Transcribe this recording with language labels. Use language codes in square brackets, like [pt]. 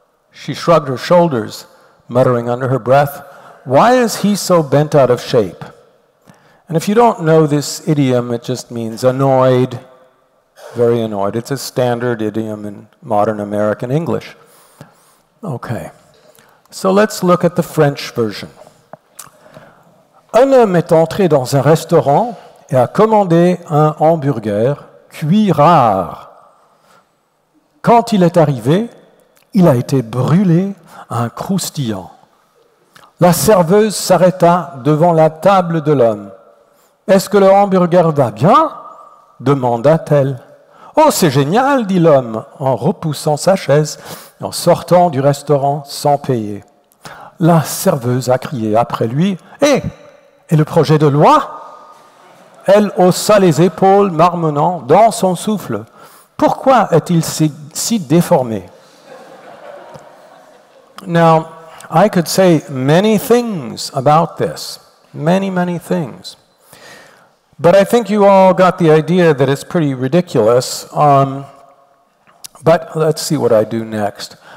[en] She shrugged her shoulders, muttering under her breath, "Why is he so bent out of shape?" And if you don't know this idiom, it just means annoyed, very annoyed. It's a standard idiom in modern American English. Okay, so let's look at the French version. [fr] Un homme est entré dans un restaurant et a commandé un hamburger cuit rare. Quand il est arrivé, il a été brûlé à un croustillant. La serveuse s'arrêta devant la table de l'homme. « Est-ce que le hamburger va bien ?» demanda-t-elle. « Oh, c'est génial !» dit l'homme en repoussant sa chaise et en sortant du restaurant sans payer. La serveuse a crié après lui. « Hé, et le projet de loi ?» Elle haussa les épaules marmonnant dans son souffle. « Pourquoi est-il si déformé ?» [en] Now, I could say many things about this. Many, many things. But I think you all got the idea that it's pretty ridiculous. But let's see what I do next.